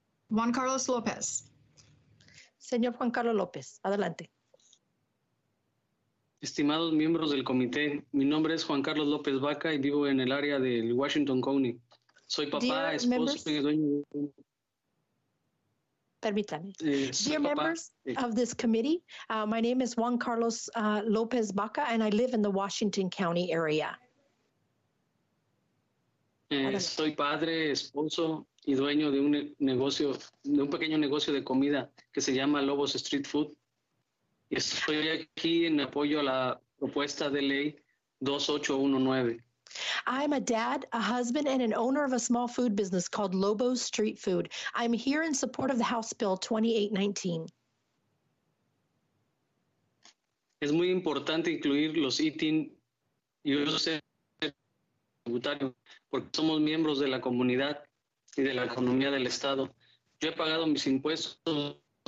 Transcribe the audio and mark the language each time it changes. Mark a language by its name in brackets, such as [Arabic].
[Spanish] Juan Carlos López. Señor Juan Carlos López, adelante. Estimados miembros del comité, mi nombre es Juan Carlos López Vaca y vivo en el área del Washington County. Soy papá, [English] dear [Spanish] esposo [English] members, [Spanish] y dueño de... Permítame. [English] Dear members of this committee, my name is Juan Carlos López Vaca, and I live in the Washington County area. [Spanish] Soy padre, esposo y dueño de un negocio, de un pequeño negocio de comida que se llama Lobos Street Food. Y estoy aquí en apoyo a la propuesta de ley 2819. [English] I'm a dad, a husband, and an owner of a small food business called Lobo Street Food. I'm here in support of the House Bill 2819. [Spanish] Es muy importante incluir los ITIN y los tributarios porque somos miembros de la comunidad y de la economía del Estado. Yo he pagado mis impuestos.